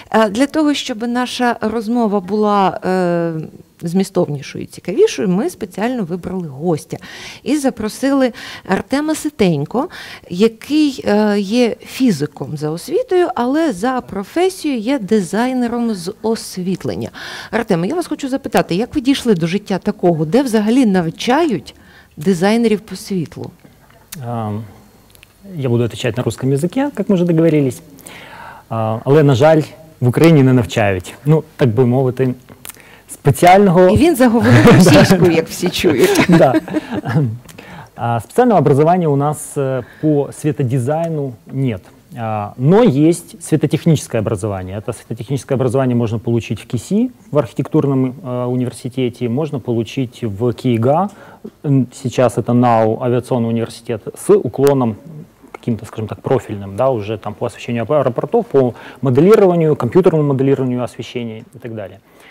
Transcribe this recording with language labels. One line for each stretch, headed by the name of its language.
Ukrainian: Для того, щоб наша розмова була змістовнішою і цікавішою, ми спеціально вибрали гостя і запросили Артема Ситенько, який є фізиком за освітою, але за професією є дизайнером з освітлення. Артема, я вас хочу запитати, як ви дійшли до життя такого, де взагалі навчають дизайнерів по світлу?
Russian: Я буду отвечать на русском языке, как мы уже договорились.
Ukrainian: Але, на жаль, в Україні не навчають. Ну, так би мовити, спеціального... І він заговорив російською, як всі чують.
Russian: Да.
Ukrainian: Спеціального
Russian: образования у нас по светодизайну нет. Но есть светотехническое образование. Это светотехническое образование можно получить в КИСИ, в архитектурном университете, можно получить в КИИГА, сейчас это НАУ, авиационный университет, с уклоном каким-то, скажем так, профильным, да, уже там по освещению аэропортов, по моделированию, компьютерному моделированию освещения и так далее.